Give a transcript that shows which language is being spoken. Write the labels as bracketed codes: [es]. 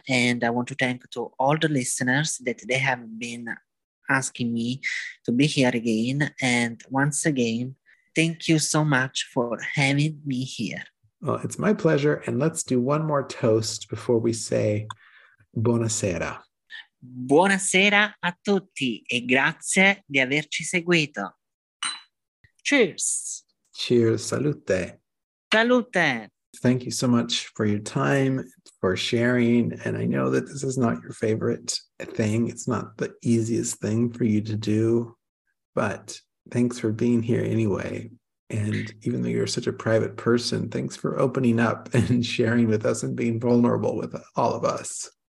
[en] And I want to thank to all the listeners that they have been asking me to be here again. And once again, thank you so much for having me here. Well, it's my pleasure. And let's do one more toast before we say [it] Buonasera. Buonasera a tutti e grazie di averci seguito. [en] Cheers. Cheers. Salute. [it] Salute. [en] Thank you so much for your time, for sharing. And I know that this is not your favorite thing. It's not the easiest thing for you to do. But thanks for being here anyway. And even though you're such a private person, thanks for opening up and sharing with us and being vulnerable with all of us.